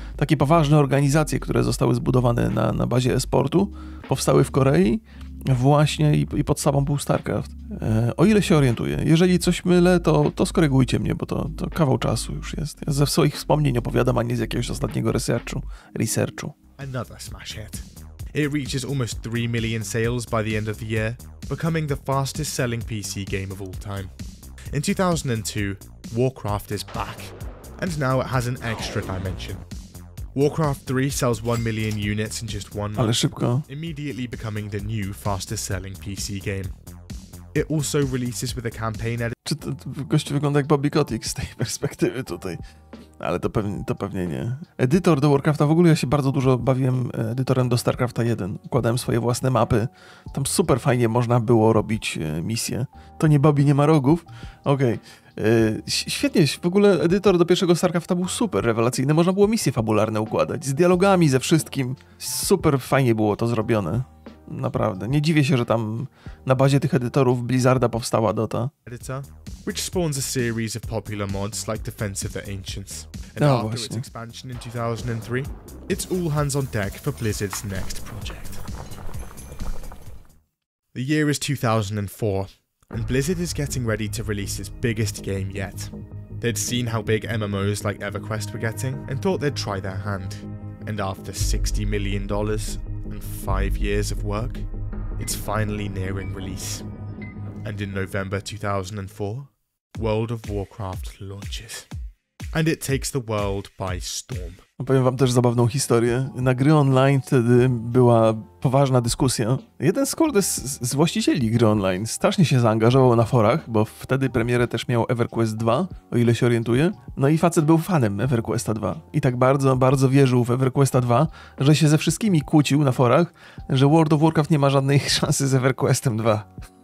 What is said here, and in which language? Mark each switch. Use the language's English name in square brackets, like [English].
[Polish] Takie poważne organizacje, które zostały zbudowane na bazie e-sportu, powstały w Korei właśnie i podstawą był StarCraft. O ile się orientuję, jeżeli coś mylę, to skorygujcie mnie, bo to kawał czasu już jest. Ja ze swoich wspomnień opowiadam, a nie z jakiegoś ostatniego researchu. [English] Another smash hit. It reaches almost 3 million sales by the end of the year, becoming the fastest selling PC game of all time. In 2002, Warcraft is back, and now it has an extra dimension. Warcraft 3 sells 1 million units in just one month, immediately becoming the new fastest selling PC game. It also releases with a campaign edit. [Polish] Czy to gościu wygląda jak Bobby Kotick z tej perspektywy tutaj? Ale to pewnie nie. Edytor do Warcrafta, w ogóle ja się bardzo dużo bawiłem edytorem do StarCrafta 1. Układałem swoje własne mapy. Tam super fajnie można było robić misje. To nie Bobby nie ma rogów. Okej. Świetnie, w ogóle edytor do pierwszego StarCrafta był super rewelacyjny. Można było misje fabularne układać. Z dialogami, ze wszystkim. Super fajnie było to zrobione. Naprawdę. Nie dziwię się, że tam na bazie tych edytorów Blizzarda powstała Dota. Edytor? [English] which spawns a series of popular mods like Defense of the Ancients. And after its expansion in 2003, it's all hands on deck for Blizzard's next project. The year is 2004, and Blizzard is getting ready to release its biggest game yet. They'd seen how big MMOs like EverQuest were getting and thought they'd try their hand. And after $60 million and 5 years of work, it's finally nearing release. And in November 2004, World of Warcraft launches. And it takes the world by storm. [Polish] Opowiem wam też zabawną historię. Na gry online wtedy była poważna dyskusja. Jeden z kurde z właścicieli gry online strasznie się zaangażował na forach, bo wtedy premierę też miał EverQuest 2, o ile się orientuję. No i facet był fanem EverQuesta 2. I tak bardzo, bardzo wierzył w EverQuesta 2, że się ze wszystkimi kłócił na forach, że World of Warcraft nie ma żadnej szansy z EverQuestem 2.